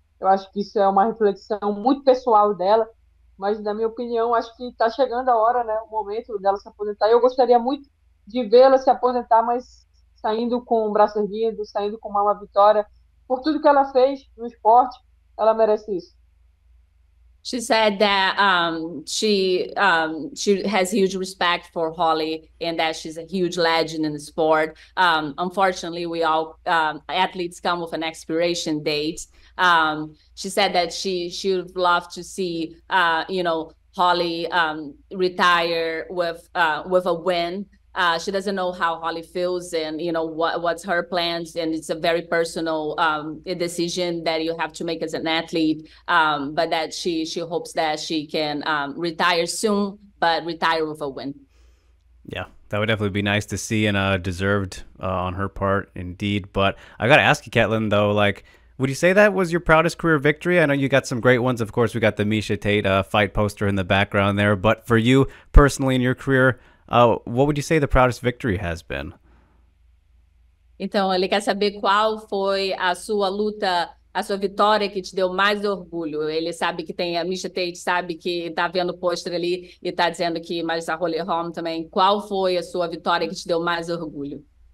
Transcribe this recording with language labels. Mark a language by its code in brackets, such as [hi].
[pt] Eu acho que isso é uma reflexão muito pessoal dela, mas na minha opinião, acho que está chegando a hora, né? O momento dela se aposentar. Eu gostaria muito de vê-la se aposentar, mas saindo com o braço erguido, saindo com uma vitória. Por tudo que ela fez no esporte, ela merece isso. [en] She said that she has huge respect for Holly and that she's a huge legend in the sport. Unfortunately, we all athletes come with an expiration date. She said that she would love to see Holly retire with a win. She doesn't know how Holly feels and what's her plans, and it's a very personal decision that you have to make as an athlete. But that she hopes that she can retire soon, but retire with a win. Yeah, that would definitely be nice to see, and deserved on her part, indeed. But I gotta ask you, Caitlin, though, like, would you say that was your proudest career victory? I know you got some great ones. Of course, we got the Miesha Tate fight poster in the background there. But for you personally in your career, what would you say the proudest victory has been? [pt] Então, ele quer saber qual foi a sua luta, a sua vitória que te deu mais orgulho. Ele sabe que tem a Miesha Tate, sabe que está vendo o pôster ali e está dizendo que mais a Holly Holm também. Qual foi a sua vitória que te deu mais orgulho?